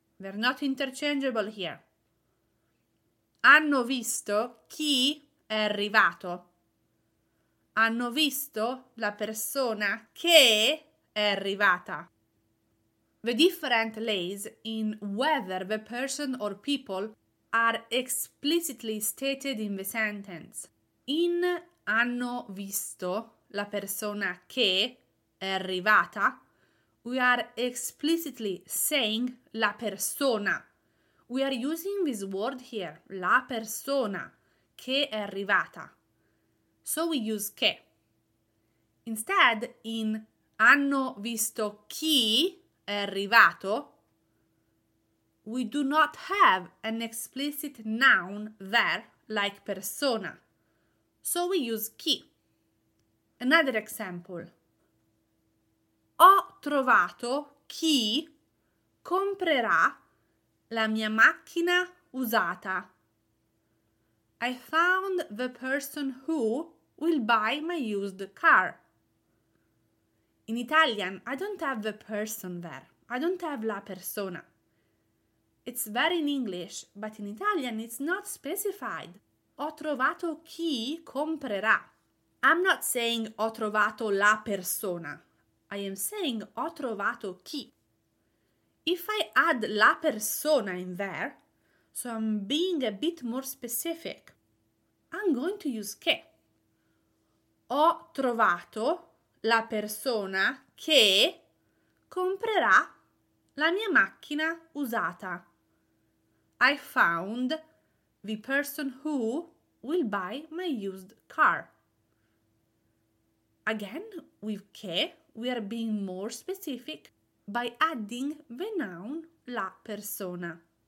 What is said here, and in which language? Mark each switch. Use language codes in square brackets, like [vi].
[en] They're not interchangeable here. [it] Hanno visto chi è arrivato. Hanno visto la persona che è arrivata. [en] The different lays in whether the person or people are explicitly stated in the sentence. [it] In hanno visto la persona che è arrivata, [en] we are explicitly saying [it] la persona. [en] We are using this word here, [it] la persona, che è arrivata. [en] So we use che. Instead, in [it] hanno visto chi è arrivato, [en] we do not have an explicit noun there, like persona. So we use chi. Another example. [it] Ho trovato chi comprerà la mia macchina usata. [en] I found the person who will buy my used car. In Italian, I don't have the person there. I don't have [it] la persona. [en] It's there in English, but in Italian it's not specified. [it] Ho trovato chi comprerà. [en] I'm not saying [it] ho trovato la persona. [en] I am saying [it] ho trovato chi. [en] If I add [it] la persona [en] in there, so I'm being a bit more specific, I'm going to use che. [it] Ho trovato la persona che comprerà la mia macchina usata. [en] I found the person who will buy my used car. Again, with che, we are being more specific by adding the noun la persona.